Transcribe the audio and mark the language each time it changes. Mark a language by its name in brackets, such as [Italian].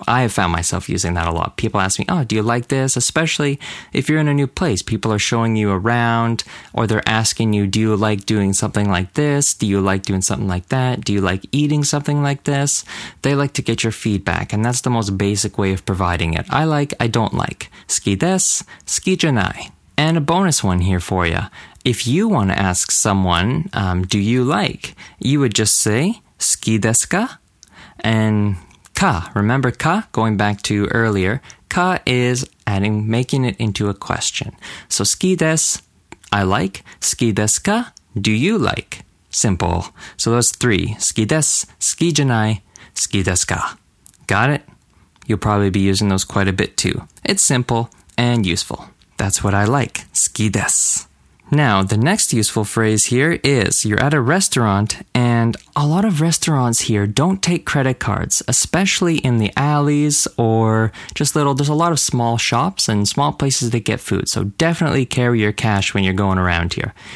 [English] I have found myself using that a lot. People ask me, oh, do you like this? Especially if you're in a new place, people are showing you around or they're asking you, do you like doing something like this? Do you like doing something like that? Do you like eating something like this? They like to get your feedback, and that's the most basic way of providing it. I like, I don't like. [Japanese] 好きです。好きじゃない. [English] And a bonus one here for you. If you want to ask someone, do you like? You would just say, [Japanese] 好きですか? [English] And ka, remember ka, going back to earlier, ka is adding, making it into a question. So, [Japanese] 好きです、 [English] I like. [Japanese] 好きですか、 [English] do you like. Simple. So, those three. [Japanese] 好きです、好きじゃない、好きですか. [English] Got it? You'll probably be using those quite a bit too. It's simple and useful. That's what I like. [Japanese] 好きです。 [English] Now, the next useful phrase here is, you're at a restaurant, and a lot of restaurants here don't take credit cards, especially in the alleys or just little, there's a lot of small shops and small places that get food, so definitely carry your cash when you're going around here.